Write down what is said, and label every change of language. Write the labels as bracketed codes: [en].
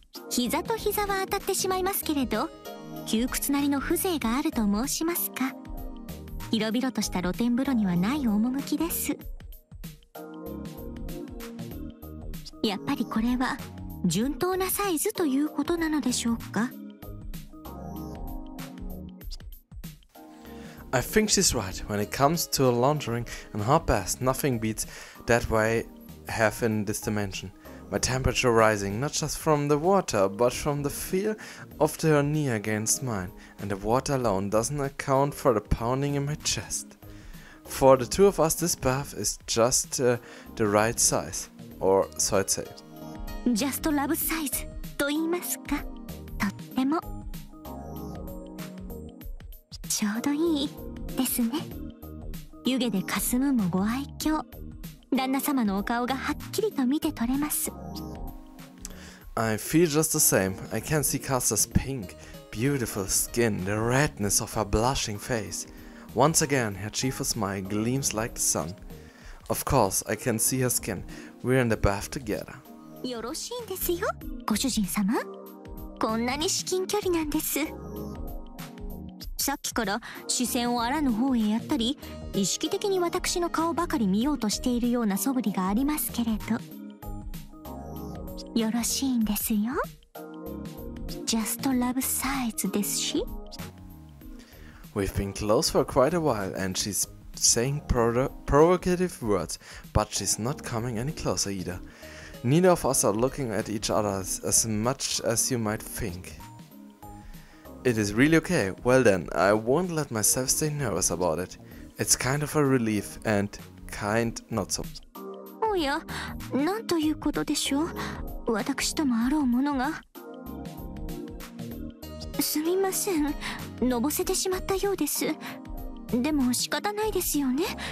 [ja] 膝と膝は当たってしまいますけれど、窮屈なりの風情があると申しますか、広々とした露天風呂にはない趣です。やっぱりこれは順当なサイズということなのでしょうか。 [en] I think she's right. When it comes to laundering and hot baths, nothing beats that way have in this dimension. My temperature rising, not just from the water, but from the feel of her knee against mine. And the water alone doesn't account for the pounding in my chest. For the two of us, this bath is just the right size. Or so I'd say. Just a love size, [ja] と言いますか?とっても。ちょうどいいですね。湯気で霞むもご愛嬌。旦那様のお顔がはっきりと見て取れます。 [en] I feel just the same. I can see Casa's pink, beautiful skin, the redness of her blushing face. Once again, her cheerful smile gleams like the sun. Of course, I can see her skin. We're in the bath together. [ja] よろしいんですよ、ご主人様。こんなに至近距離なんです。さっきから視線をあらぬ方へやったり、意識的に私の顔ばかり見ようとしているような素振りがありますけれど、よろしいんですよ。 [en] Just love size [ja] ですし。 [en] We've been close for quite a while and she's saying provocative words, but she's not coming any closer either. Neither of us are looking at each other as much as you might think. It is really okay. Well then, I won't let myself stay nervous about it. It's kind of a relief and kind not so. [ja] おや、なんということでしょう。私ともあろうものが。すみません、のぼせてしまったようです。でも仕方ないですよね。